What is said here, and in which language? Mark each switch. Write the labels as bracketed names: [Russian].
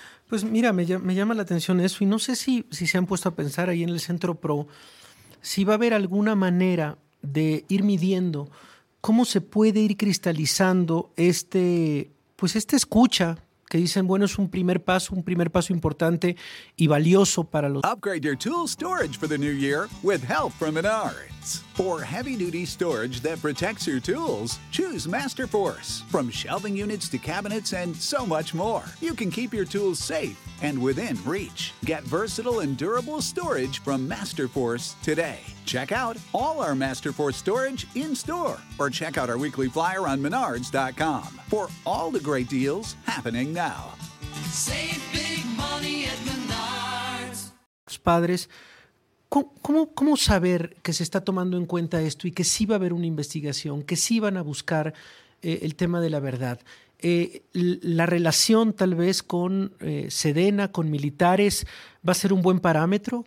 [Spanish] Pues mira, me llama la atención eso, y no sé si se han puesto a pensar ahí en el Centro PRO si va a haber alguna manera de ir midiendo cómo se puede ir cristalizando esta escucha que dicen, bueno, es un primer paso importante y valioso para los... [English] Upgrade your tool storage for the new year with help from Menards. For heavy-duty storage that protects your tools, choose Masterforce. From shelving units to cabinets and so much more, you can keep your tools safe and within reach. Get versatile and durable storage from Masterforce today. Check out all our Masterforce storage in-store or check out our weekly flyer on Menards.com for all the great deals happening now. Save big money at Menards. [Spanish] Padres, ¿cómo saber que se está tomando en cuenta esto y que sí va a haber una investigación, que sí van a buscar el tema de la verdad? La relación tal vez con Sedena, con militares, ¿va a ser un buen parámetro?